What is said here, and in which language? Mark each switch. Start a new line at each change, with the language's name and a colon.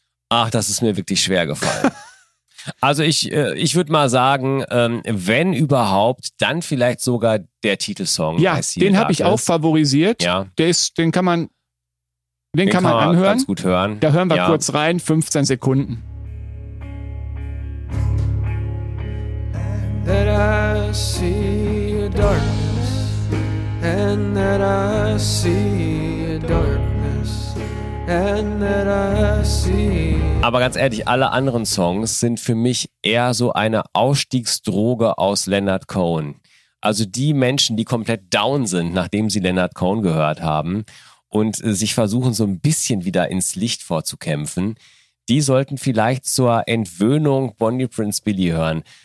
German: Ach, das ist mir wirklich schwer gefallen. Also ich würde mal sagen, wenn überhaupt, dann vielleicht sogar der Titelsong. Ja, den habe ich auch favorisiert. Ja. Den kann man anhören. Ganz gut hören. Da hören wir kurz rein, 15 Sekunden.
English: That I see a darkness, and that I see a darkness, and that I see.
German: Aber ganz ehrlich, alle anderen Songs sind für mich eher so eine Ausstiegsdroge aus Leonard Cohen. Also die Menschen, die komplett down sind, nachdem sie Leonard Cohen gehört haben und sich versuchen, so ein bisschen wieder ins Licht vorzukämpfen, die sollten vielleicht zur Entwöhnung Bonnie Prince Billy hören.